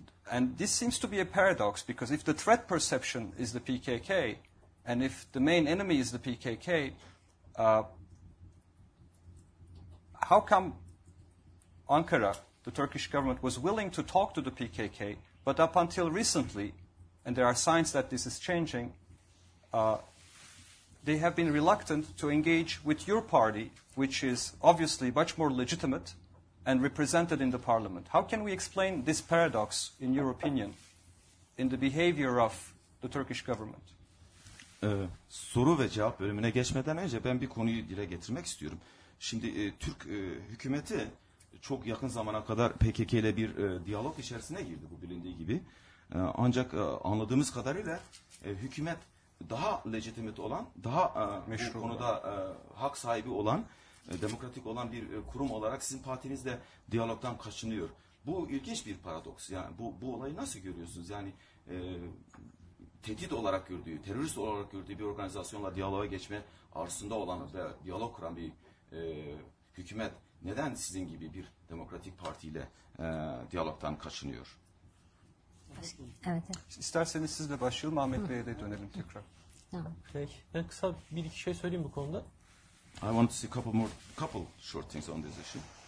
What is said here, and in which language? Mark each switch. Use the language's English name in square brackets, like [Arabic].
[English] And this seems to be a paradox, because if the threat perception is the PKK, and if the main enemy is the PKK, how come Ankara, the Turkish government, was willing to talk to the PKK, but up until recently, and there are signs that this is changing, they have been reluctant to engage with your party, which is obviously much more legitimate and represented in the parliament? How can we explain this paradox, in your opinion, in the behavior of the Turkish government? [Turkish] Soru ve cevap bölümüne geçmeden önce ben bir konuyu dile getirmek istiyorum. Şimdi Türk hükümeti çok yakın zamana kadar PKK ile bir diyalog içerisine girdi, bu bilindiği gibi. Ancak anladığımız kadarıyla hükümet daha legitimate olan, daha meşru bu konuda hak sahibi olan, demokratik olan bir kurum olarak sizin partinizle diyalogdan kaçınıyor. Bu ilginç bir paradoks. Yani bu olayı nasıl görüyorsunuz? Yani tehdit olarak gördüğü, terörist olarak gördüğü bir organizasyonla diyaloğa geçme arzusunda olan ve diyalog kuran bir hükümet neden sizin gibi bir demokratik partiyle diyalogdan kaçınıyor? Evet. İsterseniz siz de başlayalım, Ahmet Bey'e de dönelim tekrar. Peki. Ben kısa bir iki şey söyleyeyim bu konuda. [English] I want to see couple short things on this issue.